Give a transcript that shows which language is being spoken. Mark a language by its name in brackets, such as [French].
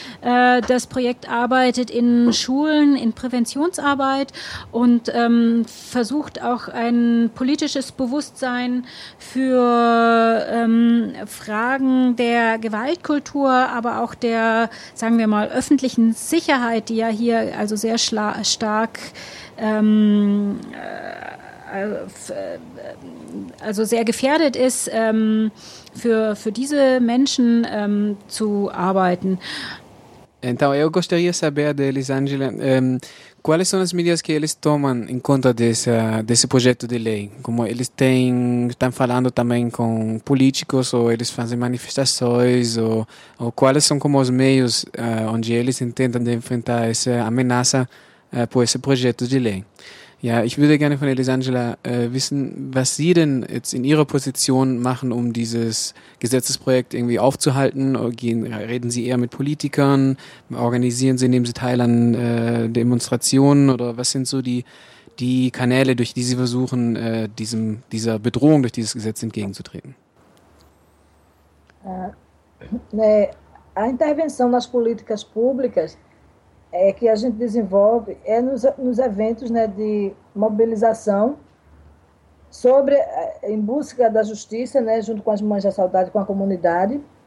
[German] Das Projekt arbeitet in Schulen, in Präventionsarbeit und versucht auch ein politisches Bewusstsein für Fragen der Gewaltkultur, aber auch der, sagen wir mal, öffentlichen Sicherheit, die ja hier also sehr stark also sehr gefährdet ist, für diese Menschen zu arbeiten. [Portuguese] Então, eu gostaria de saber da Elisângela quais são as medidas que eles tomam em conta desse projeto de lei. Como eles estão falando também com políticos, ou eles fazem manifestações, ou quais são como os meios onde eles tentam enfrentar essa ameaça por esse projeto de lei. [German] Ja, ich würde gerne von Elisângela wissen, was Sie denn jetzt in Ihrer Position machen, um dieses Gesetzesprojekt irgendwie aufzuhalten. Reden Sie eher mit Politikern? Organisieren Sie, nehmen Sie teil an Demonstrationen? Oder was sind so die Kanäle, durch die Sie versuchen, dieser Bedrohung durch dieses Gesetz entgegenzutreten? [Portuguese] A intervenção nas políticas públicas que a gente desenvolve nos eventos, né, de mobilização sobre, em busca da justiça, né, junto com as Mães da Saudade, com a comunidade,